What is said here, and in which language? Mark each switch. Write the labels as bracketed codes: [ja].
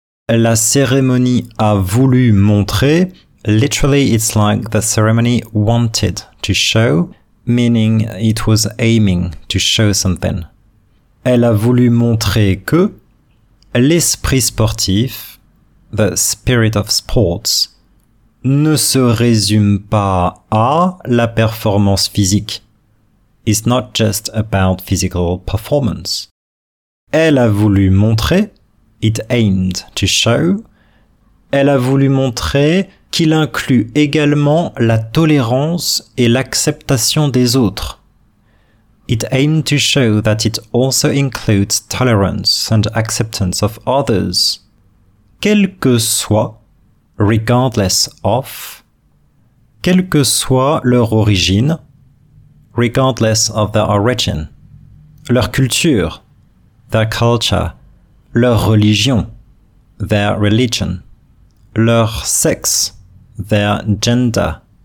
[fr] La cérémonie a voulu montrer, [en] literally it's like the ceremony wanted to show, meaning it was aiming to show something. [fr] Elle a voulu montrer que l'esprit sportif, [en] the spirit of sports, [fr] ne se résume pas à la performance physique. [en] It's not just about physical performance. [fr] Elle a voulu montrer, [en] it aimed to show, [fr] elle a voulu montrer qu'il inclut également la tolérance et l'acceptation des autres. [en] It aimed to show that it also includes tolerance and acceptance of others. [fr] Quel que soit, [en] regardless of, [fr] quelle que soit leur origine, [en] regardless of their origin, [fr] leur culture, [en] their culture, [fr] leur religion, [en] their religion, [fr] leur sexe, [en] their gender,